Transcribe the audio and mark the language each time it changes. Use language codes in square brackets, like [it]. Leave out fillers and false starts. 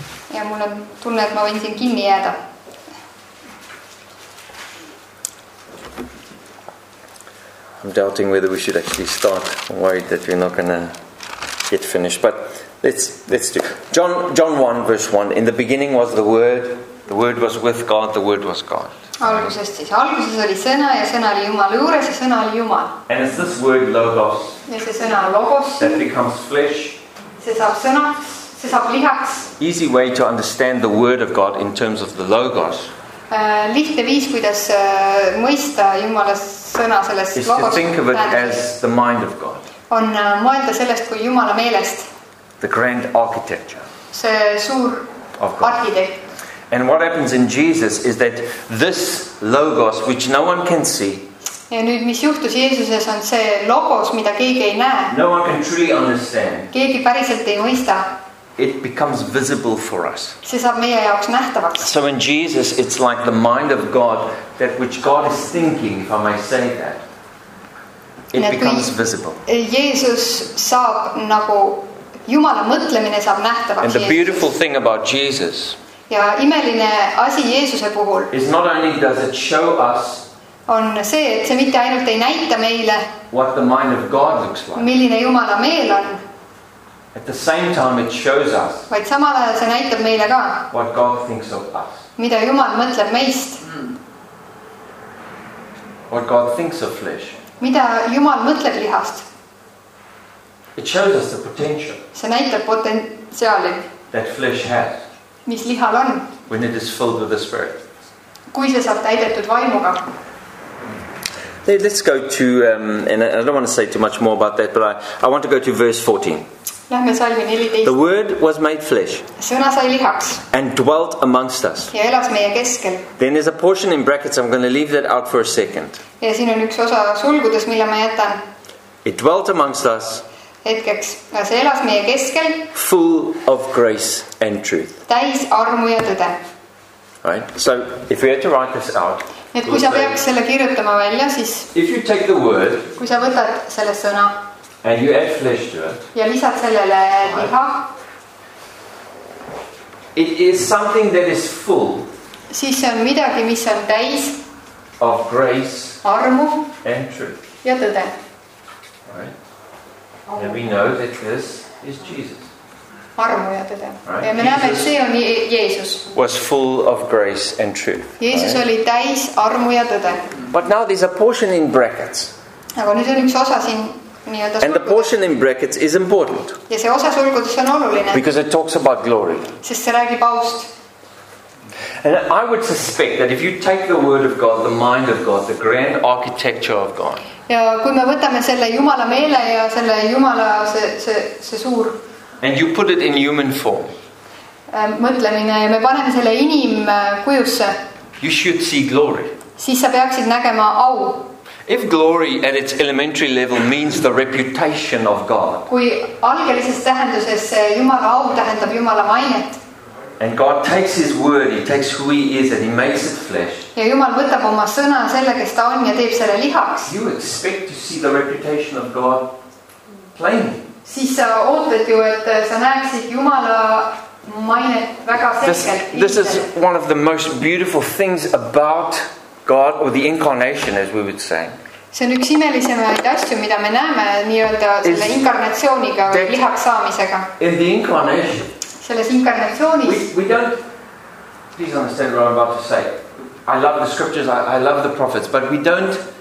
[et] Ja mul on tunne, et ma võin siin kinni jääda. [en] I'm doubting whether we should actually start. I'm worried that we're not going to get finished. But let's do. John 1, verse 1. In the beginning was the Word. The Word was with God. The Word was God. [et] Algusest siis. Alguses oli sõna ja sõna oli Jumal juures ja sõna oli Jumal. [en] And it's this word logos. [et] Ja see sõna logos. [en] That becomes flesh. [et] See saab sõna. See saab lihaks. [en] Easy way to understand the Word of God in terms of the logos. [et] Lihtne viis, kuidas mõista Jumala sõna sellest logos. [en] To think of it as the mind of God. [et] On mõelda sellest kui Jumala meelest. [en] The grand architecture. [et] See suur arhitekt. [en] And what happens in Jesus is that this logos, which no one can see. [et] Ja nüüd, mis juhtus Jeesuses, on see logos, mida keegi ei näe. [en] No one can truly understand. [et] Keegi päriselt ei mõista. [en] It becomes visible for us. [et] See saab meie jaoks nähtavaks. [en] So in Jesus, it's like the mind of God, that which God is thinking, if I may say that, it becomes visible. [et] Jeesus saab nagu, Jumala mõtlemine saab nähtavaks. [en] And the beautiful thing about Jesus, [et] Ja imeline asi Jeesuse puhul [en] is not only does it show us [et] on see, et see mitte ainult ei näita meile [en] what the mind of God looks like. [et] Milline Jumala meel on. [en] At the same time it shows us [et] vaid samal ajal see näitab meile ka [en] what God thinks of us. [et] Mida Jumal mõtleb meist. [en] What God thinks of flesh. [et] Mida Jumal mõtleb lihast. [en] It shows us the potential [et] see näitab potentsiaali [en] that flesh has [et] mis lihal on [en] when it is filled with the spirit. [et] Kui see saab täidetud vaimuga. [en] Hey, let's go to and I don't want to say too much more about that, but I want to go to verse 14. [et] Lähme salmi 14. [en] The word was made flesh. [et] Sõna sai lihaks. [en] And dwelt amongst us. [et] Ja elas meie keskel. [en] Then there's a portion in brackets, I'm going to leave that out for a second. [et] Ja siin on üks osa sulgudes, mille ma jätan. [en] It dwelt amongst us. [et] Hetkeks. Ja see elas meie keskel. [en] Full of grace and truth. [et] Täis armu ja tõde. [en] Right. So if we had to write this out. [et] Et kui sa peaks selle kirjutama välja, siis [en] if you take the word, [et] kui sa võtad selle sõna [en] and you add flesh to it, [et] ja lisad sellele liha, [en] it is something that is full, [et] siis see on midagi, mis on täis [en] of grace, [et] armu [en] and truth. [et] Ja tõde. [en] Right. And we know that this is Jesus. [et] Armu ja tõde. [en] Right. [et] Ja me Jesus näeme, et see on Jeesus. [en] Was full of grace and truth. [et] Jeesus [en] right. [et] Oli täis armu ja tõde. [en] But now there's a portion in brackets. [et] Aga nüüd on üks osa siin nii-öelda sulgudes. [en] The portion in brackets is important. [et] Ja see osa sulgudes on oluline. [en] Because it talks about glory. [et] Sest see räägib aust. [en] And I would suspect that if you take the word of God, the mind of God, the grand architecture of God. [et] Ja kui me võtame selle Jumala meele ja selle Jumala see suur [en] and you put it in human form. [et] Mõtlemine ja me paneme selle inim kujusse. [en] You should see glory. [et] Siis sa peaksid nägema au. [en] If glory at its elementary level means the reputation of God. [et] Kui algelises tähenduses Jumala au tähendab Jumala mainet. [en] And God takes his word, he takes who he is and he makes it flesh. [et] Ja Jumal võtab oma sõna selle, kes ta on ja teeb selle lihaks. [en] You expect to see the reputation of God plainly. [et] Siis sa ootad ju, et sa näeksid Jumala mainet väga selgelt. [en] This is one of the most beautiful things about God or the incarnation, as we would say. [et] See on üks imelisemaid asju, mida me näeme nii-öelda selle inkarnatsiooniga või lihaks saamisega. [en] In the incarnation. [et] Selles inkarnatsioonis. [en] We don't, please understand what I'm about to say. I love the scriptures, I love the prophets, but we don't